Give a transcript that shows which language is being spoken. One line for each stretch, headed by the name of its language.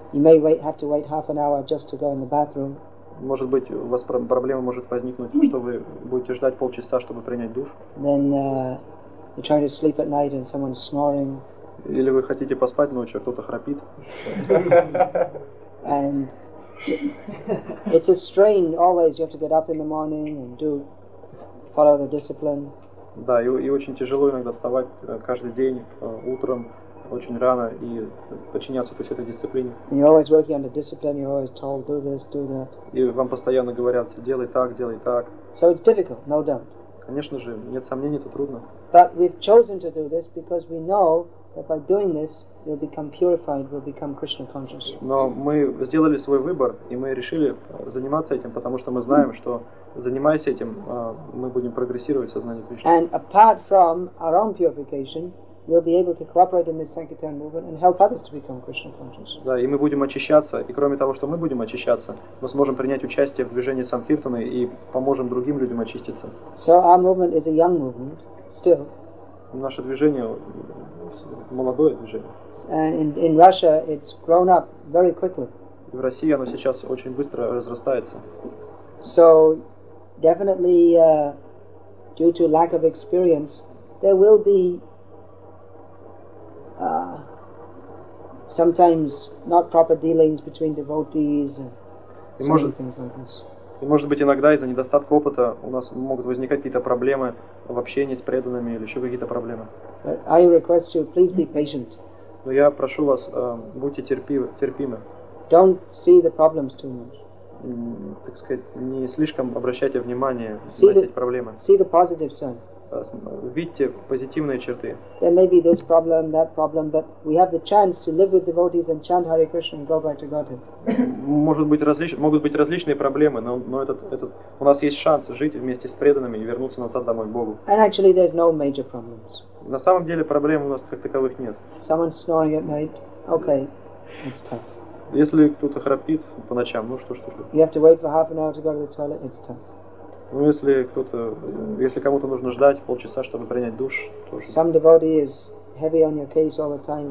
English: You may wait, have to wait half an hour just to go in the bathroom.
Russian: Может быть, у вас проблема может возникнуть, что вы будете ждать полчаса, чтобы принять душ.
English: Then you're trying to sleep at night and someone's snoring.
Russian: Или вы хотите поспать ночью, а кто-то храпит.
English: And it's a strain always. You have to get up in the morning and do follow the discipline.
Russian: Да, и очень тяжело иногда вставать каждый день утром очень рано и подчиняться всей этой дисциплине.
English: You're always working under discipline. You're always told do this, do that.
Russian: И вам постоянно говорят делай так, делай так.
English: So it's difficult, no doubt.
Russian: Конечно же, нет сомнений, это трудно.
English: But we've chosen to do this because we know that by doing this we'll become purified, we'll become Krishna conscious.
Russian: Но мы сделали свой выбор и мы решили заниматься этим, потому что мы знаем, что занимаясь этим, мы будем прогрессировать в сознании Кришны.
English: And apart from our own purification, we'll be able to cooperate in this Sankirtan movement and help others to become Krishna conscious.
Russian: Да, и мы будем очищаться, и кроме того, что мы будем очищаться, мы сможем принять участие в движении Санкиртаны и поможем другим людям очиститься.
English: So our movement is a young movement, still.
Russian: Наше движение молодое движение.
English: And in Russia, it's grown up very quickly.
Russian: И в России оно сейчас очень быстро разрастается.
English: So definitely, due to lack of experience, there will be sometimes not proper dealings between devotees and certain things like this.
Russian: И может быть иногда из-за недостатка опыта у нас могут возникать какие-то проблемы в общении с преданными или еще какие-то проблемы.
English: But I request you, please be patient.
Russian: Но я прошу вас, будьте терпимы.
English: Don't see the problems too much.
Russian: Так сказать, не слишком обращайте внимание на эти проблемы.
English: See the positive side.
Russian: Видьте позитивные черты.
English: There may be this problem, that problem, but we have the chance to live with devotees and chant Hare Krishna and go back to Godhead.
Russian: Могут быть различные проблемы, но этот у нас есть шанс жить вместе с преданными и вернуться назад домой к Богу.
English: And actually, there's no major problems.
Russian: На самом деле проблем у нас как таковых нет.
English: Someone snoring at night. Okay, it's tough.
Russian: Если кто-то храпит по ночам, ну что ж такое?
English: You have to wait for half an hour to go to the toilet. It's tough.
Russian: Ну если кто-то, если кому-то нужно ждать полчаса, чтобы принять душ, то.
English: Some devotee is heavy on your case all the time.